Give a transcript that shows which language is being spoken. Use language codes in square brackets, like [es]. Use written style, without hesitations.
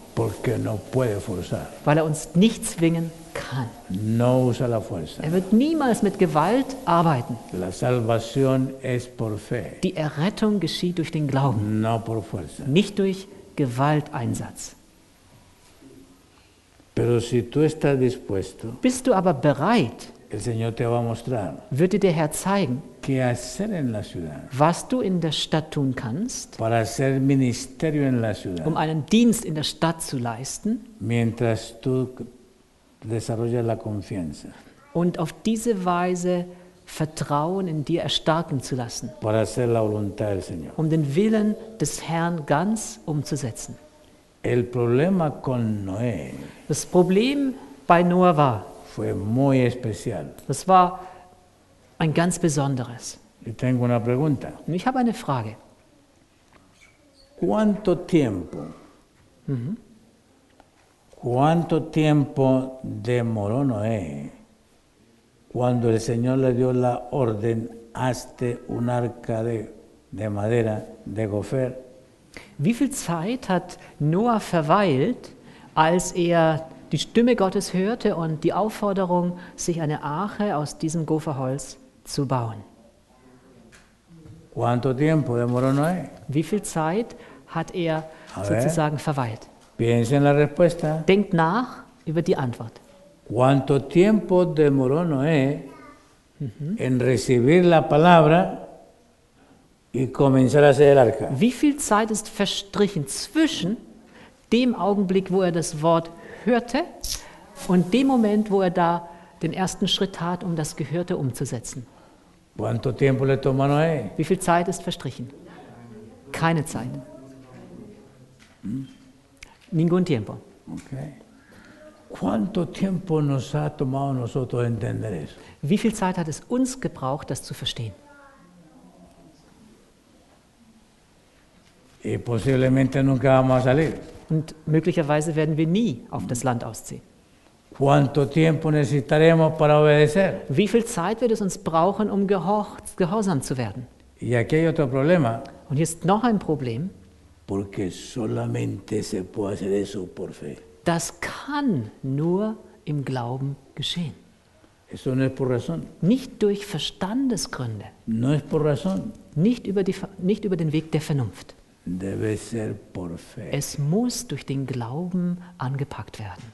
[es] Porque no puede forzar. [de] Weil er uns nicht zwingen kann. [es] No usa la fuerza. [de] Er wird niemals mit Gewalt arbeiten. [es] La salvación es por fe. [de] Die Errettung geschieht durch den Glauben. [es] No por fuerza. [de] Nicht durch Gewalteinsatz. [es] Pero si tú estás dispuesto, [de] bist du aber bereit, [es] el Señor te va a mostrar, [de] wird dir der Herr zeigen, [es] qué hacer en la ciudad, [de] was du in der Stadt tun kannst, [es] para hacer ministerio en la ciudad, [de] um einen Dienst in der Stadt zu leisten, [es] mientras tú desarrollas la confianza, [de] und auf diese Weise Vertrauen in dir erstarken zu lassen, [es] para hacer la voluntad del Señor, [de] um den Willen des Herrn ganz umzusetzen. [es] El problema con Noé, [de] das Problem bei Noah war, [es] fue muy especial. [de] Das war ein ganz besonderes. Ich [es] tengo una pregunta. [de] Ich habe eine Frage. [es] ¿Cuánto tiempo? ¿Cuánto tiempo demoró Noé cuando el Señor le dio la orden hazte un arca de madera de gofer? [de] Wie viel Zeit hat Noah verweilt, als er die Stimme Gottes hörte und die Aufforderung, sich eine Arche aus diesem Gopherholz zu bauen? [es] ¿Cuánto tiempo demoró Noé? [de] Wie viel Zeit hat er sozusagen verweilt? [es] Piensa en la respuesta. [de] Denkt nach über die Antwort. [es] ¿Cuánto tiempo demoró Noé en recibir la palabra y comenzar a hacer el arca? [de] Wie viel Zeit ist verstrichen zwischen dem Augenblick, wo er das Wort hörte und dem Moment, wo er da den ersten Schritt tat, um das Gehörte umzusetzen? [es] ¿Cuánto tiempo le tomó Noé? [de] Wie viel Zeit ist verstrichen? Keine Zeit. [es] Ningún tiempo. Okay. ¿Cuánto tiempo nos ha tomado nosotros entender eso? [de] Wie viel Zeit hat es uns gebraucht, das zu verstehen? [es] Y posiblemente nunca vamos a salir. [de] Und möglicherweise werden wir nie auf das Land ausziehen. [es] ¿Cuánto tiempo necesitaremos para obedecer? [de] Wie viel Zeit wird es uns brauchen, um gehorsam zu werden? [es] Y aquí hay otro problema. [de] Und hier ist noch ein Problem. [es] Porque solamente se puede hacer eso por fe. [de] Das kann nur im Glauben geschehen. [es] Eso no es por razón. [de] Nicht durch Verstandesgründe. [es] No es por razón. [de] Nicht über den Weg der Vernunft. [es] Debe ser por fe. [de] Es muss durch den Glauben angepackt werden.